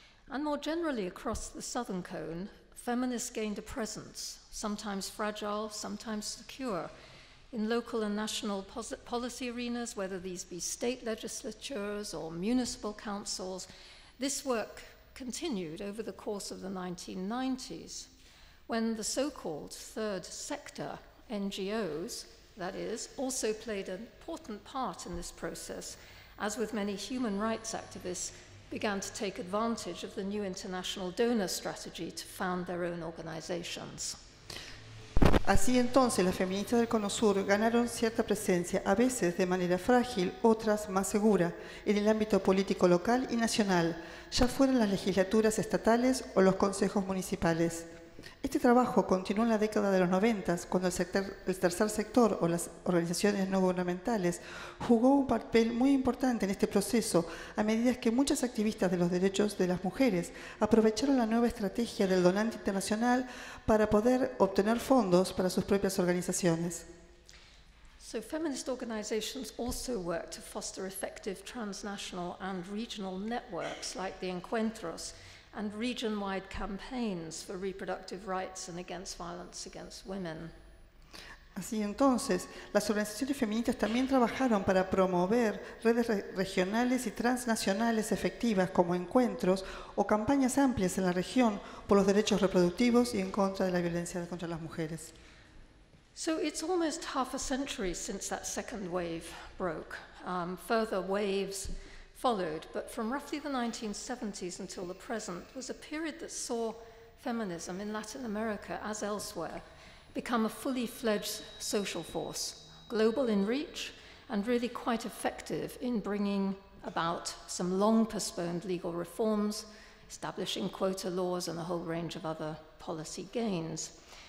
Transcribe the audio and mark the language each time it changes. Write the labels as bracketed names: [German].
[English] And more generally across the Southern Cone, feminists gained a presence, sometimes fragile, sometimes secure, in local and national policy arenas, whether these be state legislatures or municipal councils. This work continued over the course of the 1990s, when the so-called third sector, NGOs, that is, also played an important part in this process, as with many human rights activists, began to take advantage of the new international donor strategy to found their own organizations. [Spanish] Así entonces, las feministas del Cono Sur ganaron cierta presencia, a veces de manera frágil, otras más segura, en el ámbito político local y nacional, ya fueran las legislaturas estatales o los consejos municipales. Este trabajo continuó en la década de los 90, cuando el tercer sector o las organizaciones no gubernamentales jugó un papel muy importante en este proceso, a medida que muchas activistas de los derechos de las mujeres aprovecharon la nueva estrategia del donante internacional para poder obtener fondos para sus propias organizaciones. [English] So, feminist organizations also work to foster effective transnational and regional networks like the Encuentros, and region-wide campaigns for reproductive rights and against violence against women. [Spanish] Así entonces, las organizaciones feministas también trabajaron para promover redes regionales y transnacionales efectivas como encuentros o campañas amplias en la región por los derechos reproductivos y en contra de la violencia contra las mujeres. [English] So it's almost half a century since that second wave broke. Further waves followed, but from roughly the 1970s until the present was a period that saw feminism in Latin America, as elsewhere, become a fully fledged social force, global in reach and really quite effective in bringing about some long postponed legal reforms, establishing quota laws and a whole range of other policy gains.